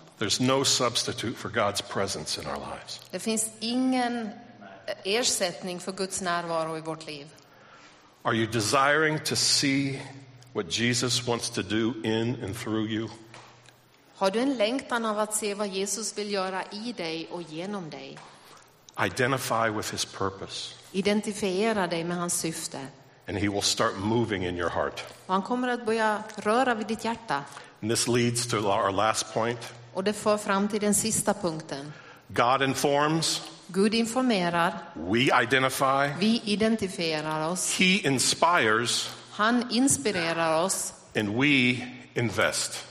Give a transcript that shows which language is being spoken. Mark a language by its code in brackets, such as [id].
[en] There's no substitute for God's presence in our lives. [sv] Det finns ingen ersättning för Guds närvaro i vårt liv. [en] Are you desiring to see what Jesus wants to do in and through you? [sv] Har du en längtan av att se vad Jesus vill göra i dig och genom dig? [en] Identify with his purpose. [sv] Identifiera dig med hans syfte. [en] And he will start moving in your heart. [sv] Och han kommer att börja röra vid ditt hjärta. [en] And this leads to our last point. [sv] Och det för fram till den sista punkten. [en] God informs. [sv] Gud informerar. [en] We identify. [sv] Vi identifierar oss. [en] He inspires. [sv] Han inspirerar oss. [en] And we invest.